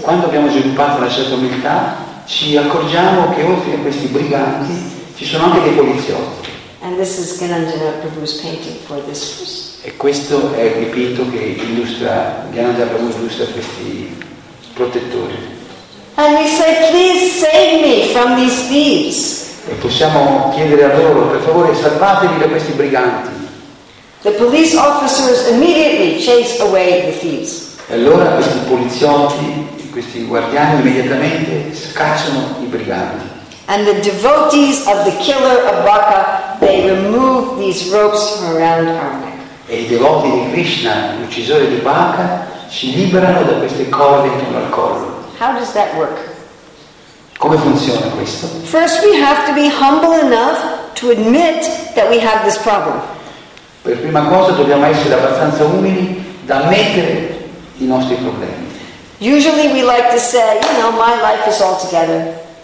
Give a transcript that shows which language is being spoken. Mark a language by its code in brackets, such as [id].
[it] quando abbiamo sviluppato una certa umiltà, ci accorgiamo che oltre a questi briganti ci sono anche dei poliziotti. [en] And this is Gyananjana Prabhu's painting for this verse. [it] E questo è il dipinto che illustra Gyananjana Prabhu, illustra questi protettori. [en] And we say, please save me from these thieves. [it] E possiamo chiedere a loro, per favore salvatemi da questi briganti. [en] The police officers immediately chase away the thieves. [it] E allora questi poliziotti, questi guardiani immediatamente scacciano i briganti. [en] And the devotees of the killer of Bhaka, they remove these ropes from around our neck. [it] E i devoti di Krishna, l'uccisore di Bhaka, ci liberano da queste corde intorno al collo. [en] How does that work? [it] Come funziona questo? [en] First we have to be humble enough to admit that we have this problem. [it] Per prima cosa dobbiamo essere abbastanza umili da ammettere i nostri problemi. [en] Usually we like to say, you know, my life is all together.